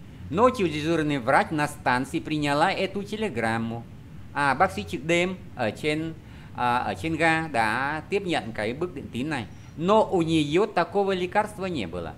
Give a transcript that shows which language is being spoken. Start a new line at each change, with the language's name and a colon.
Russian: Ночью дежурный врач на станции приняла эту телеграмму.
Vietnamese: À, bác sĩ trực đêm ở trên ga đã tiếp nhận cái bức điện tín này.
Russian: Но у неё такого лекарства не было.